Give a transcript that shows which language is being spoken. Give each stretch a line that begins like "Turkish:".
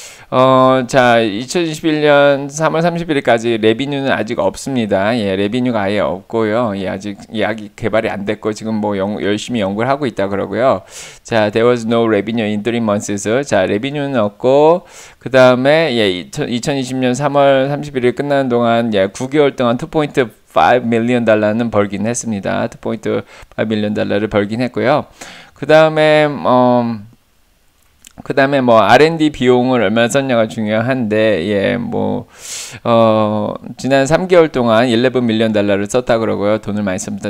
Korean: 자, 2021년 3월 30일까지 레비뉴는 아직 없습니다. 예, 레비뉴가 아예 없고요. 예, 아직 약이 개발이 안 됐고, 지금 뭐 열심히 연구를 하고 있다 그러고요.
English: 자, there was no revenue in 3 months.
Korean: 자, 레비뉴는 없고, 그 다음에, 예, 2020년 3월 30일이 끝나는 동안, 예, 9개월 동안 2포인트 5밀리언 달러는 벌긴 했습니다. 2포인트 5밀리언 달러를 벌긴 했고요. 그 다음에, 그 다음에 뭐 R&D 비용을 얼마나 썼냐가 중요한데 예뭐어 지난 3개월 동안 11밀리언 달러를 썼다 그러고요. 돈을 많이 씁니다.